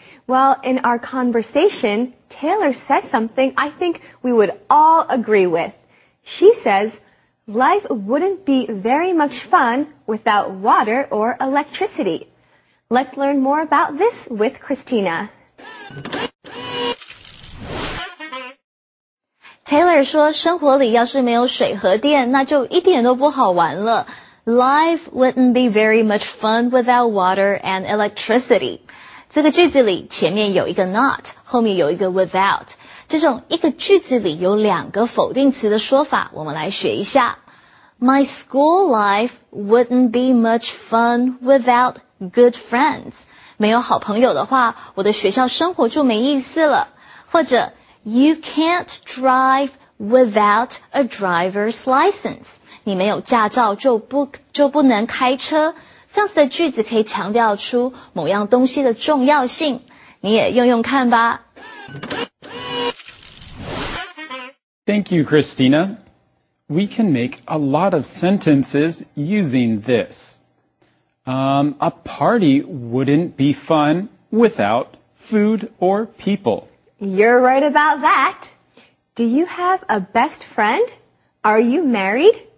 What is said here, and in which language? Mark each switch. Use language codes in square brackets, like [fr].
[en] Well, in our conversation... Taylor said something I think we would all agree with. She says, life wouldn't be very much fun without water or electricity. Let's learn more about this with Christina. [zh] Taylor 说生活里要是没有水和电那就一点都不好玩了。 [en] Life wouldn't be very much fun without water and electricity. [zh] 这个句子里前面有一个 not, 后面有一个 without。这种一个句子里有两个否定词的说法我们来学一下。 [en] My school life wouldn't be much fun without good friends. [zh] 没有好朋友的话我的学校生活就没意思了。或者 [en] You can't drive without a driver's license. [zh] 你没有驾照就不能开车。这样子的句子可以强调出某样东西的重要性，你也用用看吧。 [en] Thank you, Christina. We can make a lot of sentences using this. A party wouldn't be fun without food or people. You're right about that. Do you have a best friend? Are you married?